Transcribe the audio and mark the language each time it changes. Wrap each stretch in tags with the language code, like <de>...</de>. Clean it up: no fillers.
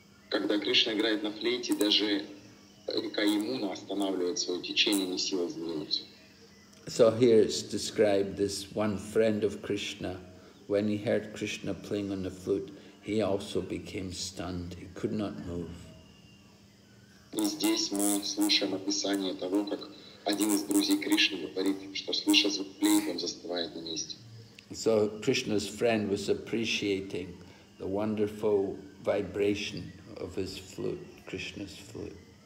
<ru>Когда Кришна играет на флейте, даже река Ямуна останавливает свое течение, не в силах сдвинуться.</ru> <en>So here is described this one friend of Krishna. When he heard Krishna playing on the flute, he also became stunned. He could not move.</en> <ru>И здесь мы слушаем описание того, как один из друзей Кришны говорит, что слыша звук флейты, он застывает на месте.</ru> <en>So Krishna's friend was appreciating the wonderful vibration of his flute, Krishna's flute.</en>